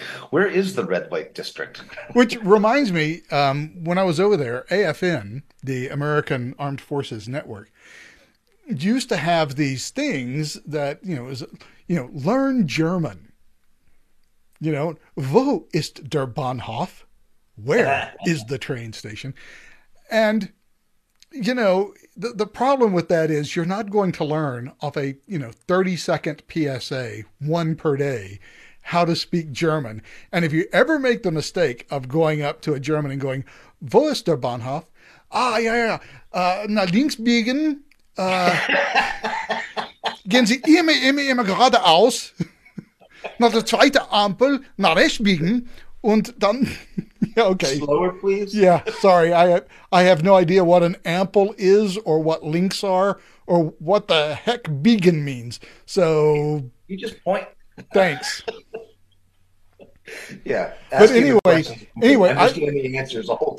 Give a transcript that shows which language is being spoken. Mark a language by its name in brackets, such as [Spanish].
[English] Where is the red light district? Which reminds me, when I was over there, AFN, the American Armed Forces Network, used to have these things that, learn German. You know, [German] wo ist der Bahnhof? [English] Where is the train station? And, you know, the problem with that is you're not going to learn off a, 30-second PSA, one per day, how to speak German. And if you ever make the mistake of going up to a German and going, [German] Wo ist der Bahnhof? [English] Ah, yeah. [German] Na links biegen. gehen Sie immer geradeaus. Na der zweite Ampel, na rechts biegen. Und dann... Okay. [English] Slower, please. Yeah, sorry. I have no idea what an ample is or what links are or what the heck biegen means. So you just point. Thanks. Yeah. But anyway, understanding the answers a whole